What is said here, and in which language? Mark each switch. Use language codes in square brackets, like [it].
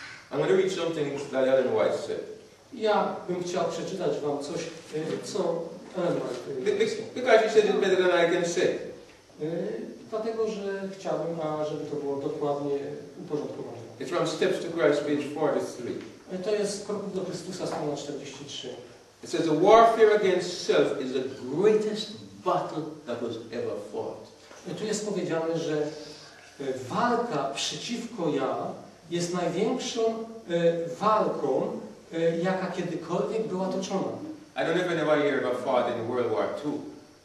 [en] I'm going to read something that Ellen White said. [pl] Ja bym chciał przeczytać wam coś, co Ellen White [en] Because you said it better than I can say. [pl] Dlatego, że chciałbym, żeby to było dokładnie uporządkowane. [en] It's from Steps to Christ, page 43. [pl] To jest Kroków do Chrystusa, strona 43. [en] It says, the warfare against self is the greatest battle that was ever fought. [pl] Tu jest powiedziane, że walka przeciwko ja jest największą walką, jaka kiedykolwiek była toczona. [en] I don't know if anybody here ever fought in World War II.